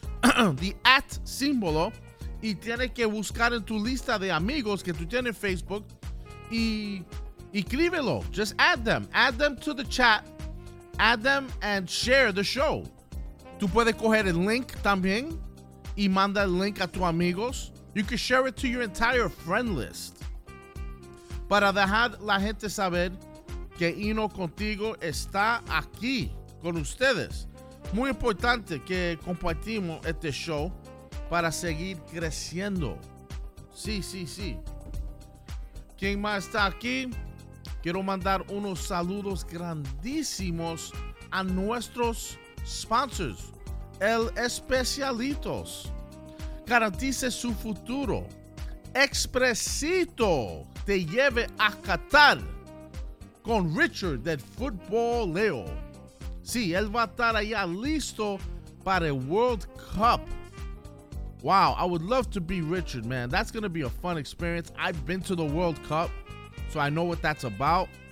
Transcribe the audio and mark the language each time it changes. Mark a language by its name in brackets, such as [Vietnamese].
[Spanish] The at símbolo, y tiene que buscar en tu lista de amigos que tú tienes en Facebook y escríbelo. [English] Just add them. Add them to the chat. Add them and share the show. [Spanish] Tú puedes coger el link también y manda el link a tus amigos. [English] You can share it to your entire friend list. [Spanish] Para dejar la gente saber que Hino Contigo está aquí con ustedes. Muy importante que compartimos este show para seguir creciendo. Sí, sí, sí. ¿Quién más está aquí? Quiero mandar unos saludos grandísimos a nuestros sponsors, El Especialitos. Garantice su futuro. Expresito te lleve a Qatar con Richard del Football Leo. Sí, él va a estar allá listo para el World Cup. [English] Wow, I would love to be Richard, man. That's going to be a fun experience. I've been to the World Cup, so I know what that's about.